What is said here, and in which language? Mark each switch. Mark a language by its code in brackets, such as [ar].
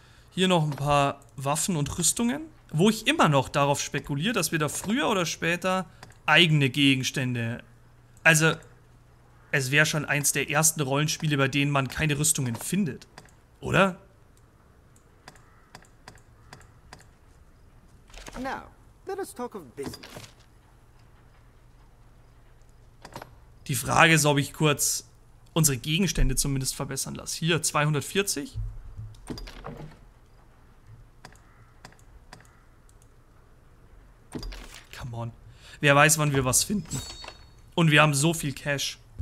[de] Hier noch ein paar Waffen und Rüstungen, wo ich immer noch darauf spekuliere, dass wir da früher oder später eigene Gegenstände... Also, es wäre schon eins der ersten Rollenspiele, bei denen man keine Rüstungen findet, oder? [en] Now, let us talk of business. [de] Die Frage ist, ob ich kurz unsere Gegenstände zumindest verbessern lasse. Hier, 240... [en] Come on. [de] Wer weiß, wann wir was finden. Und wir haben so viel Cash.